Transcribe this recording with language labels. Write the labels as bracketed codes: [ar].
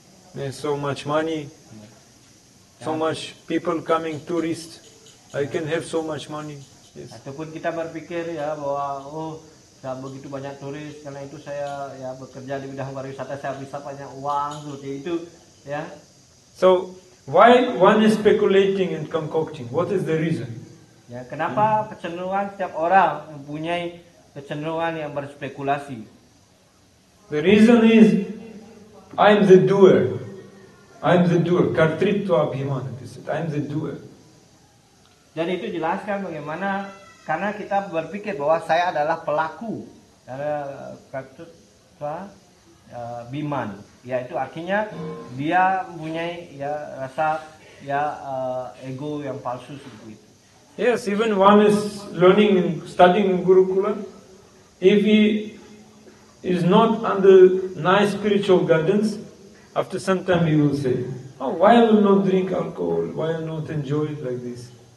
[en] There's so much money, so much people coming tourist, I can have so much money. Yes. [id] Ataupun kita berpikir ya bahwa dan begitu banyak turis karena itu saya ya bekerja di bidang pariwisata saya bisa banyak uang seperti itu ya. [en] So why one is speculating and concocting, what is the reason? [id] Ya, kenapa kecenderungan setiap orang mempunyai kecenderungan yang berspekulasi? [en] The reason is I'm the doer, kartritva abhimana, I'm the doer. [id] Dan itu jelaskan bagaimana karena kita berpikir bahwa saya adalah pelaku. Karena kartritva Biman, yaitu artinya dia mempunyai ya rasa ya ego yang palsu itu. [en] Yes, even one is learning, studying Gurukula, if he is not under nice spiritual guidance, after some time he will say, oh, why I will not drink alcohol, why I will not enjoy it like this?